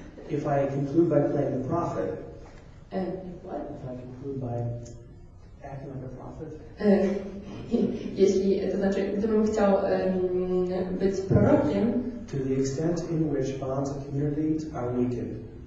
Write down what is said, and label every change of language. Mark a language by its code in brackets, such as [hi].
[en] if I conclude by playing the prophet, what? If I conclude by acting like a prophet. [pl] Jeśli, to znaczy, gdybym chciał być prorokiem. [en] To the extent in which bonds of community are weakened.